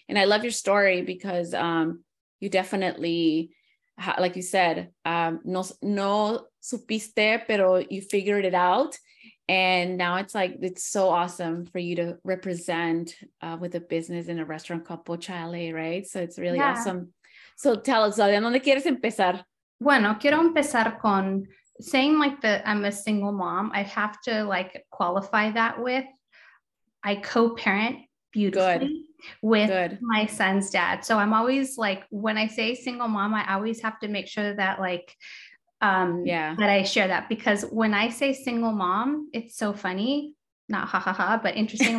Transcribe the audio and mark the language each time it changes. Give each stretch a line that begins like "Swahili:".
English: And I love your story because you definitely, like you said,
Spanish: no supiste, pero
English: you figured it out. And now it's like, it's so awesome for you to represent with a business in a restaurant called Pocha LA, right? So it's really awesome. So tell us, Zoya,
Spanish: ¿dónde quieres empezar? Bueno, quiero empezar con
English: saying like that I'm a single mom. I have to like qualify that with, I co-parent beautifully with my son's dad. So I'm always like, when I say single mom, I always have to make sure that like, that I share that, because when I say single mom, it's so funny, not ha ha ha, but interesting.